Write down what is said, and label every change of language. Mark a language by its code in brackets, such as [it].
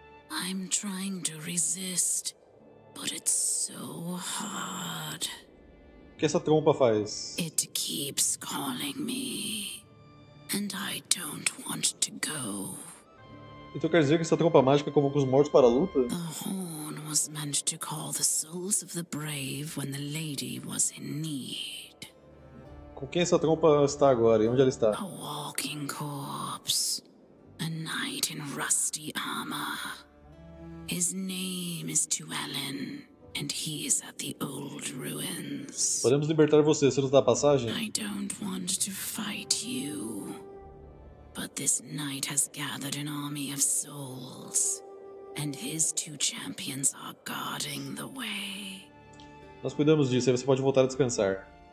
[en] I'm trying to resist. But it's so hard. [pt] O que essa trompa faz? [en] It keeps calling me. And I don't want to go. [pt] Então quer dizer que essa trompa mágica convoca os mortos para a luta? [en] The horn was meant to call the souls of the brave when the lady was in need. [pt] Com quem essa trompa está agora? E onde ela está? [en] A walking corpse. A knight in rusty armor. His name is Tuellen, and he is at the old ruins. [pt] Podemos libertar você, você nos dá passagem? [en] I don't want to fight you, but this knight has gathered an army of souls, and his two champions are guarding the way. [pt] Nós cuidamos disso, aí você pode voltar a descansar.